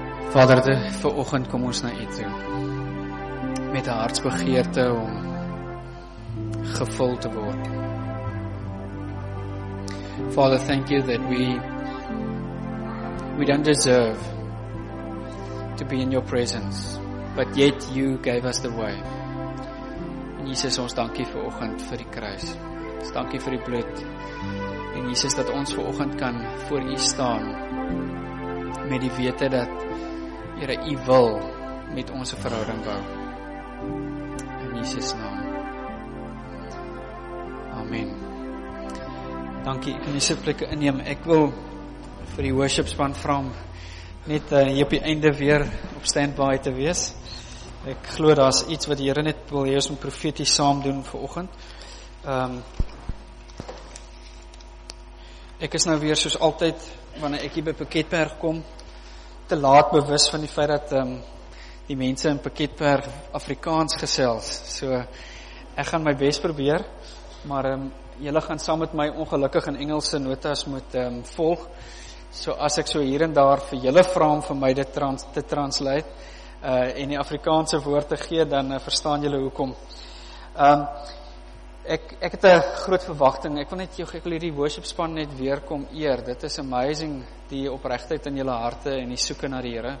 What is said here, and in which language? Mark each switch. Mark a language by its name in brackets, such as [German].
[Afrikaans] Vader, vir oggend kom ons na U toe met 'n hartsbegeerte om gevul te word. [English] Father, thank you that we don't deserve to be in your presence, but yet you gave us the way. [Afrikaans] En Jesus, ons dankie vir oggend vir die kruis. Ons dankie vir die bloed. En Jesus, dat ons vir oggend kan voor U staan met die wete dat Here, U wil met ons 'n verhouding bou. In Jesus naam. Amen. Dankie, ek kan die sitplekke inneem. Ek wil vir die worship span vra om net hier op die einde weer op standby te wees. Ek glo daar's iets wat die Here net wil hê ons moet profeties saam doen vanoggend. Ek is nou weer soos altyd wanneer ek hier by Piketberg kom te laat bewus van die feit dat die mense in Piketberg Afrikaans gesels. So ek gaan my bes probeer, maar julle gaan saam met my ongelukkig in Engelse notas moet volg. So as ek so hier en daar vir julle vra om vir my dit te translate en die Afrikaanse woord te gee, dan verstaan julle hoekom. Ek het 'n groot verwagting. Ek wil hierdie worship span net weer kom eer. Dit is amazing die opregtheid in julle harte en die soeke na die Here.